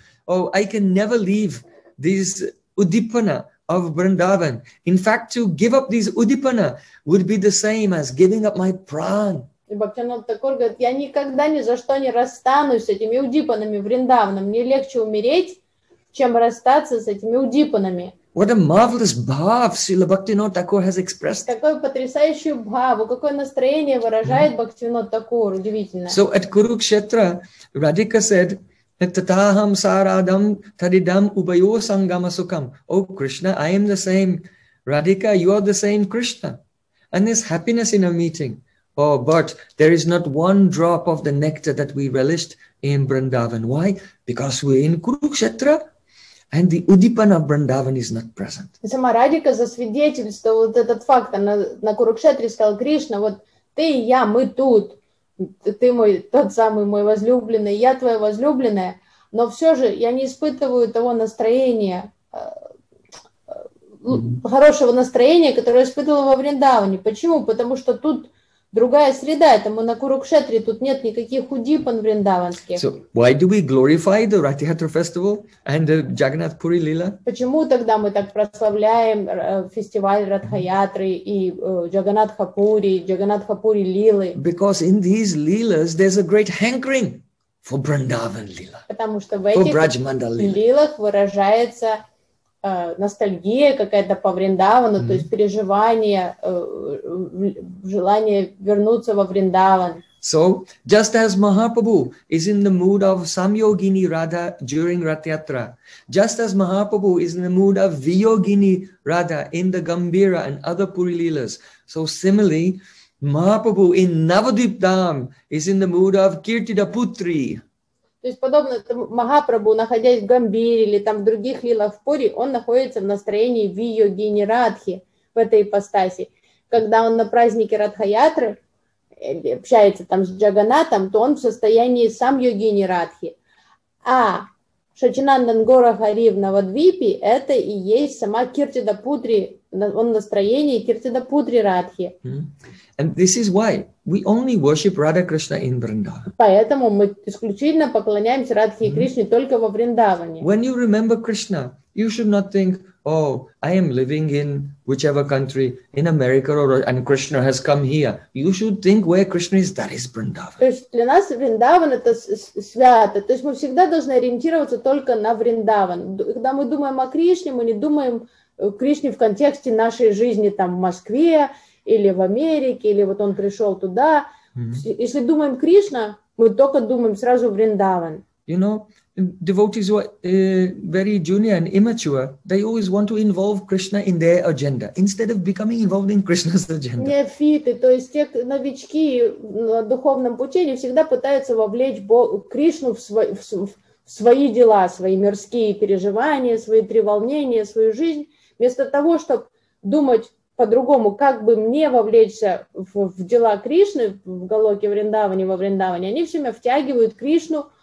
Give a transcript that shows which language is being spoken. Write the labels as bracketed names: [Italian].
[English] Oh, I can never leave this udipana of Vrindavan. In fact, to give up this udipana would be the same as giving up my pran. [Russian] И Бхактинат Тхакур говорит, я никогда ни за что не расстанусь с этими удипанами Вриндаваном. Мне легче умереть, чем расстаться с этими удипанами. [English] What a marvelous bhav Srila Bhaktivinoda Thakur has expressed. [Russian] Какой потрясающий бхаву, какое настроение выражает Бхактивинода Тхакур, удивительно. [English] So at Kurukshetra, Radhika said, [Sanskrit] Tataham saradam tadidam ubayo sangama sukam. [English] Oh Krishna, I am the same Radhika, you are the same Krishna. And there's happiness in a meeting. Oh, but there is not one drop of the nectar that we relished in Vrindavan. Why? Because we're in Kurukshetra. And the Udipana of Vrindavan is not present. [Russian] И сама Радика засвидетельствовала вот этот факт. Она на Курукшетре сказала, Кришна, вот ты и я, мы тут. Ты мой, тот самый мой возлюбленный, я твоя возлюбленная. Но все же я не испытываю того настроения, хорошего настроения, которое испытывала во Вриндаване. Почему? Потому что тут другая среда. Это мы на Курукшетре, тут нет никаких удипан вриндаванских. [English] So, why do we glorify the Ratihatra festival and the Jagannath Puri Lila? [Russian] Почему тогда мы так прославляем фестиваль Ратхаятры и Джаганатха Пури Лилы? [English] Because in these Lilas there's a great hankering for Vrindavan Lila. [Russian] Потому что в этих Лилах выражается ностальгия какая-то по Вриндавану, то есть переживание, желание вернуться во Вриндаван. [English] So, just as Mahaprabhu is in the mood of Samyogini Radha during Ratyatra, just as Mahaprabhu is in the mood of Viyogini Radha in the Gambira and other Puri Leelas, so similarly, Mahaprabhu in Navadvip Dham is in the mood of Kirtida Putri. [Russian] То есть, подобно Махапрабху, находясь в Гамбире или там в других лилах в Пури, он находится в настроении Ви-йогини Радхи, в этой ипостаси. Когда он на празднике Радхаятры общается там с Джаганатом, то он в состоянии сам йогини Радхи. А Шачинандангора Хари в Навадвипе – это и есть сама Киртида Путри, он в настроении Киртида Путри Радхи. [English] And this is why we only worship Radha Krishna in Vrindavan. [Russian] Поэтому мы исключительно поклоняемся Радхе и Кришне только во Вриндаване. [English] When you remember Krishna, you should not think, oh, I am living in whichever country, in America, and Krishna has come here. You should think where Krishna is, that is Vrindavan. [Russian] То есть для нас Вриндаван это свято. То есть мы всегда должны ориентироваться только на Вриндаван. Когда мы думаем о Кришне, мы не думаем о Кришне в контексте нашей жизни там в Москве, или в Америке, или вот он пришел туда. Если думаем Кришна, мы только думаем сразу Вриндаван. [English] You know, devotees who are very junior and immature, they always want to involve Krishna in their agenda instead of becoming involved in Krishna's agenda. [Russian] Неофиты, то есть те новички на духовном пути, они всегда пытаются вовлечь Кришну в свои дела, свои мирские переживания, свои треволнения, свою жизнь, вместо того, чтобы думать по-другому, как бы мне вовлечься в дела Кришны в Галоке, во Вриндаване, они все время втягивают Кришну.